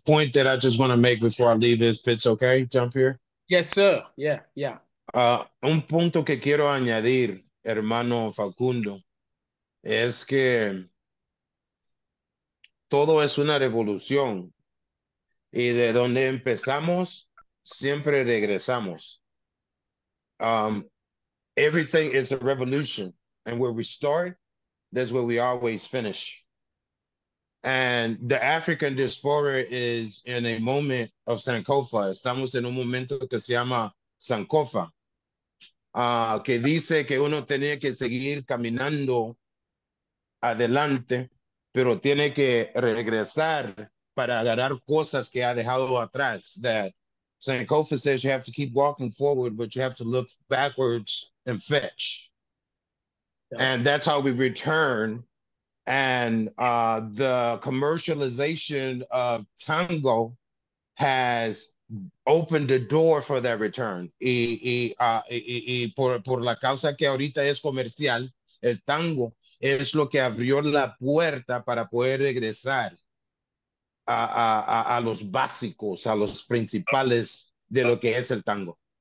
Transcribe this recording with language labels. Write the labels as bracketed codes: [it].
[en] point that I just want to make before I leave, if it's okay, Jean-Pierre. Yes, sir. Yeah. [es] Un punto que quiero añadir, hermano Facundo, es que todo es una revolución y de donde empezamos siempre regresamos. [en] Everything is a revolution, and where we start, that's where we always finish. And the African diaspora is in a moment of Sankofa. [es] Estamos en un momento que se llama Sankofa, que dice que uno tiene que seguir caminando adelante, pero tiene que regresar para agarrar cosas que ha dejado atrás. [en] That Sankofa says you have to keep walking forward, but you have to look backwards and fetch. And that's how we return. And the commercialization of tango has opened the door for that return. [es] Y por la causa que ahorita es comercial, el tango es lo que abrió la puerta para poder regresar a los básicos, a los principales de lo que es el tango.